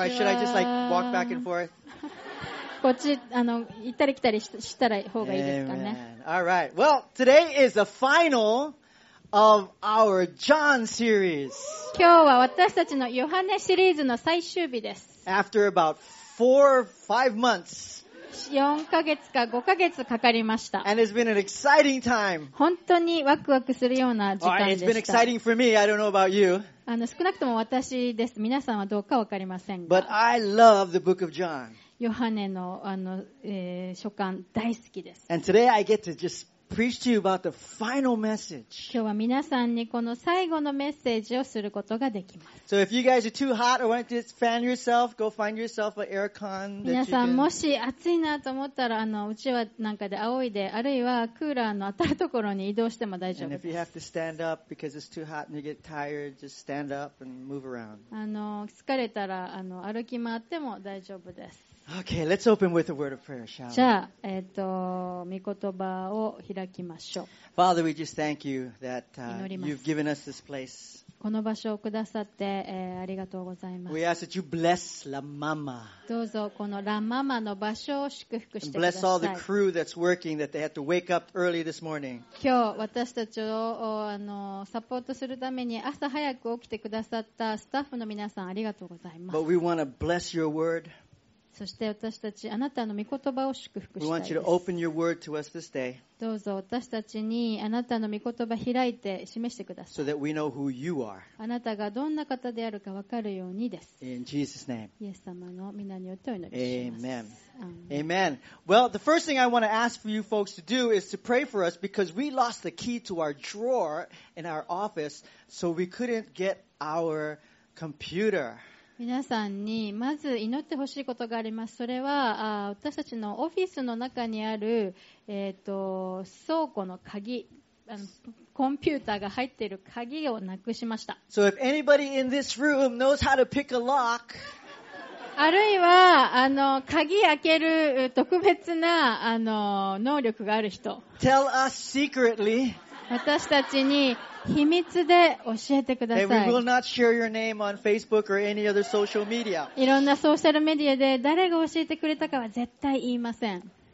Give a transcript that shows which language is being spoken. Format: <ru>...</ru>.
<en>All right. Should I just like walk back and forth?</en> <ja>こっち行ったり来たりしたら方がいいですかね。</ja> <en>Amen. All right. Well, today is the final of our John series.</en> <ja>今日は私たちのヨハネシリーズの最終日です。</ja> <en>After about 4 or 5 months.</en> <ja>4ヶ月か5ヶ月かかりました。</ja> <en>And it's been an exciting time.</en> <ja>本当にワクワクするような時間でした。</ja> <en>Oh, it's been exciting for me. I don't know about you.</en> <ja>少なくとも私です。皆さんはどうかわかりませんが。</ja> <en>But I love the book of John.</en> <ja>ヨハネの書簡大好きです。</ja> <en>And today I get to just preach to you about the final message.</en> <ja>今日は皆さんにこの最後のメッセージをすることができます。</ja> <en>So if you guys are too hot or want to fan yourself, go find yourself an aircon.</en> <ja>皆さんもし暑いなと思ったらうちはなんかで仰いで、あるいはクーラーの当たるところに移動しても大丈夫です。</ja> <en>And if you have to stand up because it's too hot and you get tired, just stand up and move around.</en> <ja>疲れたら歩き回っても大丈夫です。</ja> <en>Okay, let's open with a word of prayer, shall we?</en> <ja>じゃあ、御言葉を開きましょう。</ja> <en>Father, we just thank you that you've given us this place.</en> <ja>この場所をくださって、ありがとうございます。</ja> <en>We ask that you bless La Mama.</en> <ja>どうぞこのラママの場所を祝福してください。</ja> <en>And bless all the crew that's working that they had to wake up early this morning.</en> <ja>今日私たちをサポートするために朝早く起きてくださったスタッフの皆さんありがとうございます。</ja> <en>But we want to bless your word.</en> <ja>そして私たちあなたの御言葉を祝福したいです。</ja> <en>We want you to open your word</en> <ja>どうぞ私たちにあなたの御言葉開いて示してください。</ja> <en>So that we know who you are.</en> <ja>あなたがどんな方であるか分かるようにです。</ja> <en>In Jesus' name.</en> <ja>イエス様の皆によってお祈りします。</ja> <en>Amen. Amen. Well, the first thing I want to ask for you folks to do is to pray for us because we lost the key to our drawer in our office, so we couldn't get our computer.</en> <ja>皆さんにまず祈ってほしいことがあります。それは私たちのオフィスの中にある、倉庫の鍵、コンピューターが入っている鍵をなくしました。</ja> <en>So if anybody in this room knows how to pick a lock,</en> <ja>あるいは鍵開ける特別な能力がある人、</ja> <en>Tell us secretly.</en> <ja>私たちに秘密で教えてください。</ja> <en>And we will not share your name on Facebook or any other social media.</en> <ja>いろんなソーシャルメディアで誰が教えてくれたかは絶対言いません。</ja>